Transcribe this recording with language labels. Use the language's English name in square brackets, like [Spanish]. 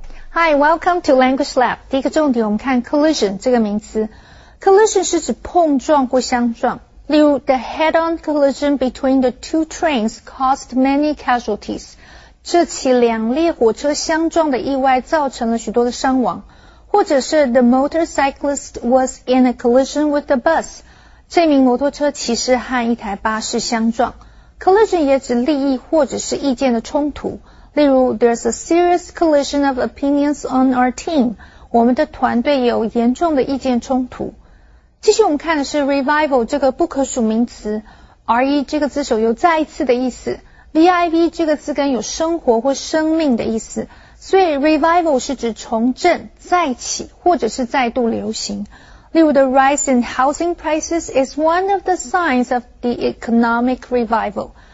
[English] Hi, welcome to Language Lab. [Chinese] 第一个重点，我们看 collision 这个名词。 Collision 是指碰撞或相撞。例如 [English] ，the head-on collision between the two trains caused many casualties. [Chinese] 这起两列火车相撞的意外造成了许多的伤亡。或者是 [English] the motorcyclist was in a collision with the bus. [Chinese] 这名摩托车其实和一台巴士相撞。 Collision 也指利益或者是意见的冲突。例如 [English] ,there's a serious collision of opinions on our team. [Chinese] 我们的团队有严重的意见冲突。继续我们看的是 revival 这个不可数名词。 RE 这个字首有再一次的意思。VIV 这个字根有生活或生命的意思。所以 revival 是指重振、再起或者是再度流行。例如 [English] ,the rise in housing prices is one of the signs of the economic revival.